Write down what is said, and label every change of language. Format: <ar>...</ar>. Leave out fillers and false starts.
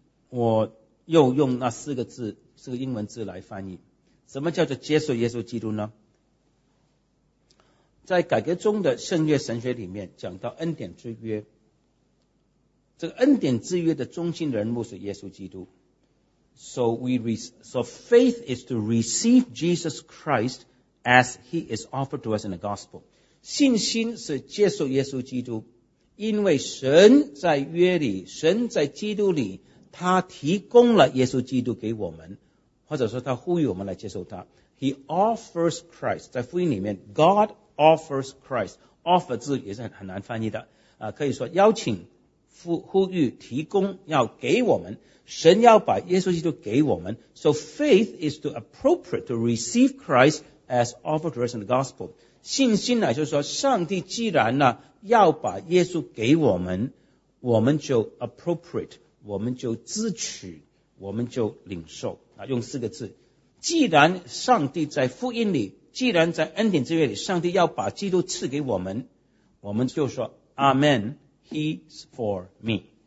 <zh>我又用那四个字，四个英文字来翻译。什么叫做接受耶稣基督呢？在改革中的圣约神学里面讲到恩典之约，这个恩典之约的中心人物是耶稣基督。</zh> <en>So faith is to receive Jesus Christ as he is offered to us in the gospel.</en> <zh>信心是接受耶稣基督，因为神在约里，神在基督里，他提供了耶稣基督给我们，或者说他呼吁我们来接受他。</zh> <en>He offers Christ.</en> <zh>在福音里面</zh> <en>God offers Christ.</en> <zh>Offer 字也是 很难翻译的、可以说邀请、呼吁、提供，要给我们，神要把耶稣基督给我们。</zh> <en>So faith is to appropriate to receive Christ as offered to us in the gospel.</en> <zh>信心呢，就是说上帝既然呢要把耶稣给我们，我们就 appropriate， 我们就支取，我们就领受、用四个字。既然上帝在福音里，既然在恩典之约里，上帝要把基督赐给我们，我们就说</zh> <en>Amen, He's for me.</en>